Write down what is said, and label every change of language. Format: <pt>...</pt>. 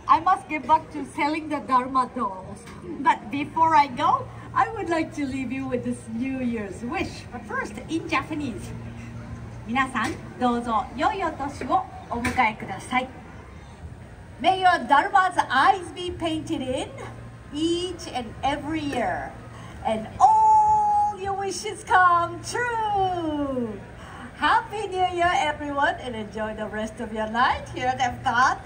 <en>I must get back to selling the Daruma dolls. But before I go, I would like to leave you with this New Year's wish. But first, in Japanese.</en> <ja>皆さん、どうぞ良いお年をお迎えください。</ja> <en>May your Daruma's eyes be painted in each and every year. And all your wishes come true! Happy New Year, everyone, and enjoy the rest of your night here at Epcot.</en>